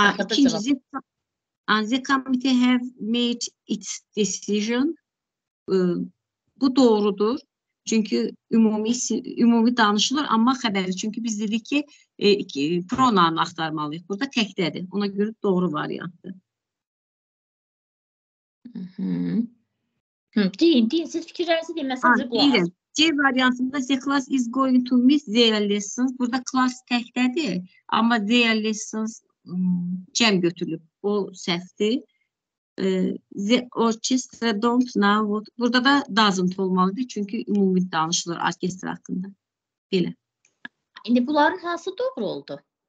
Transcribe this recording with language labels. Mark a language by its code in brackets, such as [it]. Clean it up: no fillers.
[az] İkinci, [en] the committee have made its decision. [az] Bu doğrudur. Çünki ümumi danışılır, amma xəbəri. Çünki biz dedik ki, pronounu axtarmalıyıq. Burada təkdədir. Ona görə doğru variantdır. Deyin, deyin. Siz fikirlərinizi deyin, məsələcə qoyar. C variantında [en] the class is going to miss their lessons. [az] Burada class təkdədir, amma their lessons cəm götürülüb. O səhvdir. [en] The orchestra don't know what. [az] Burada da doesn't olmalıdır, çünki ümumi danışılır orkestr haqqında. Belə. İndi bunların hansı doğru oldu?